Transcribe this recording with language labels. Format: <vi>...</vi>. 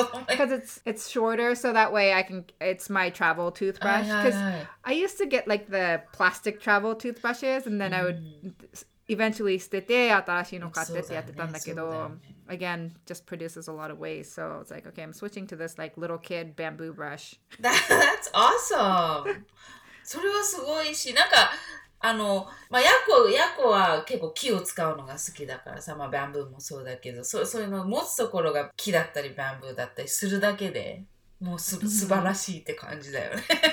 <en>Because it's shorter, so that way it's my travel toothbrush. Because I used to get like the plastic travel toothbrushes and then I would... Eventually,</en> <ja>捨てて新しいの買ってってやってたんだけど、</ja> <en>again, just produces a lot of waste. So it's like, okay, I'm switching to this like little kid bamboo brush. That's awesome.</en> <ja>それはすごいし、なんかあのまあヤコは結構木を使うのが好きだからさ、まあバンブーもそうだけど、そういうの持つところが木だったりバンブーだったりするだけで。もう素晴らしいって感じだよね。</ja>